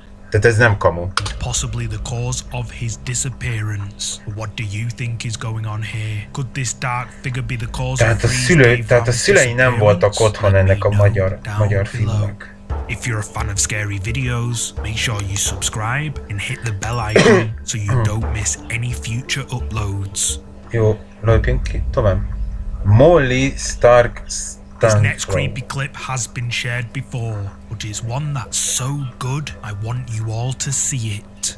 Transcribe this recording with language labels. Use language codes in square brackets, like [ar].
[en] Possibly the cause of his disappearance. What do you think is going on here? Could this dark figure be the cause of his disappearance? [hu] Tehát a szülei nem voltak otthon ennek a magyar filmnek. [en] If you're a fan of scary videos, make sure you subscribe and hit the bell icon so you don't miss any future uploads. [hu] Jó, lépjünk ki tovább. Molly Stark. [en] This next creepy clip has been shared before, but it's one that's so good, I want you all to see it.